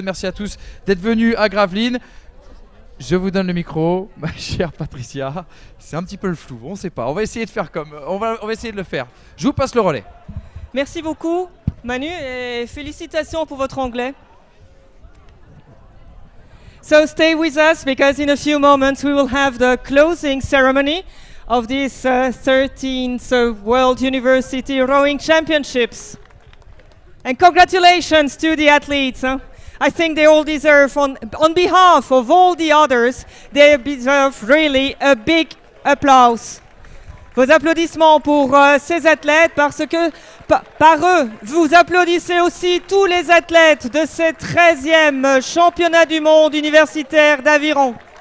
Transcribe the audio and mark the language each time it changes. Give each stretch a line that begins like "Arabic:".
French: Merci à tous d'être venus à Gravelines. Je vous donne le micro, ma chère Patricia. C'est un petit peu le flou, on ne sait pas. On va essayer de faire comme... On va essayer de le faire. Je vous passe le relais. Merci beaucoup, Manu, et félicitations pour votre anglais.
English: So stay with us, because in a few moments, we will have the closing ceremony of this 13th World University Rowing Championships. And congratulations to the athletes. I think they all deserve, on behalf of all the others, they deserve really a big applause.
French: Vos applaudissements pour ces athlètes, parce que par eux, vous applaudissez aussi tous les athlètes de ces 13e championnat du monde universitaire d'aviron.